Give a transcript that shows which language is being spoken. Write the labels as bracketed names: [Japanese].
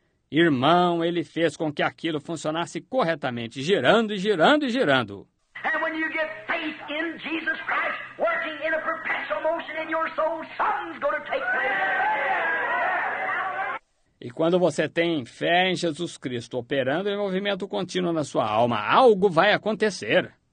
[Portuguese] Irmão, ele fez com que aquilo funcionasse corretamente, girando e girando e girando. [English] And when you get faith in Jesus Christ working in a perpetual motion in your soul, something's going to take place. [Portuguese] E quando você tem fé em Jesus Cristo operando em movimento contínuo na sua alma, algo vai acontecer.